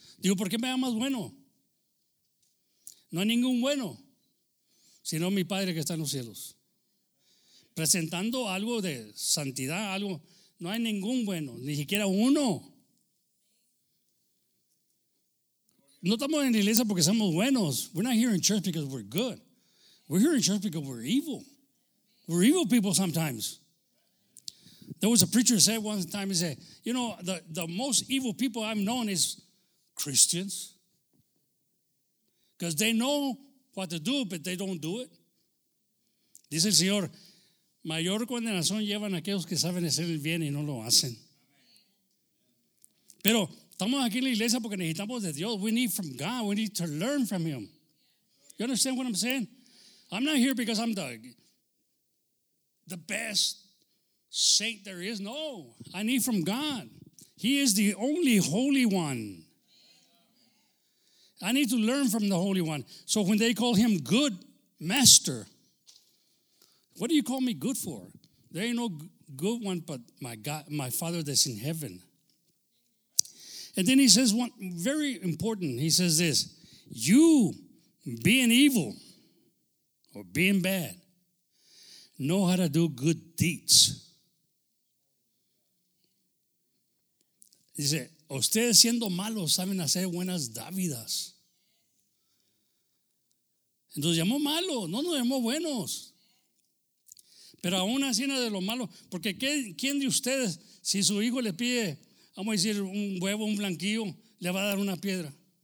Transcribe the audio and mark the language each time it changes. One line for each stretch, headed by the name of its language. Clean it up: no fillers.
Spanish: Digo, ¿por qué me llamas bueno? No hay ningún bueno, sino mi Padre que está en los cielos. Presentando algo de santidad, algo, no hay ningún bueno, ni siquiera uno. No estamos en la iglesia porque somos buenos.
English: We're not here in church because we're good. We're here in church because we're evil. We're evil people sometimes. There was a preacher who said one time, he said, you know, the most evil people I've known is Christians. Because they know what to do, but they don't do it.
Spanish: Dice el Señor, mayor condenación llevan aquellos que saben hacer el bien y no lo hacen. Pero estamos aquí en la iglesia porque necesitamos de Dios.
English: We need from God. We need to learn from Him. You understand what I'm saying? I'm not here because I'm the best saint there is. No, I need from God. He is the only Holy One. I need to learn from the Holy One. So when they call Him good master, what do you call me good for? There ain't no good one but my God, my Father that's in heaven. And then he says one very important. He says this, you being evil or being bad, know how to do good deeds.
Spanish: Dice, ustedes siendo malos saben hacer buenas dávidas. Nos llamó malo, no nos llamó buenos. Pero aún así era de lo malo. Porque ¿quién de ustedes, si su hijo le pide, vamos a decir, un huevo, un blanquillo, le va a dar una piedra?